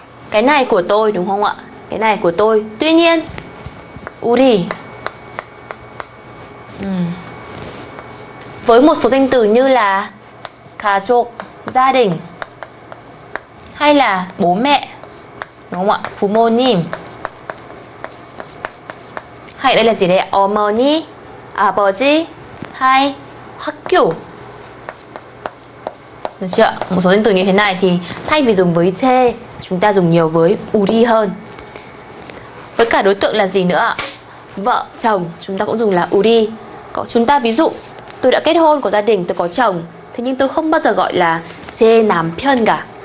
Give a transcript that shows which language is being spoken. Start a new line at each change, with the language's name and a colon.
Vietnamese: Cái này của tôi đúng không ạ? Cái này của tôi. Tuy nhiên, 우리 với một số danh từ như là 가족, gia đình, hay là bố mẹ đúng không ạ?
Korean: 부모님.
Vietnamese: Hay đây là gì đây ạ?
Korean: 어머니, 아버지,
Vietnamese: hay
Korean: 학교.
Vietnamese: Được chưa? Một số danh từ như thế này thì thay vì dùng với 제, chúng ta dùng nhiều với 우리 hơn. Với cả đối tượng là gì nữa ạ? Vợ, chồng, chúng ta cũng dùng là 우리. Chúng ta ví dụ, tôi đã kết hôn, có gia đình, tôi có chồng. Thế nhưng tôi không bao giờ gọi là
Korean: 제 남편
Vietnamese: cả.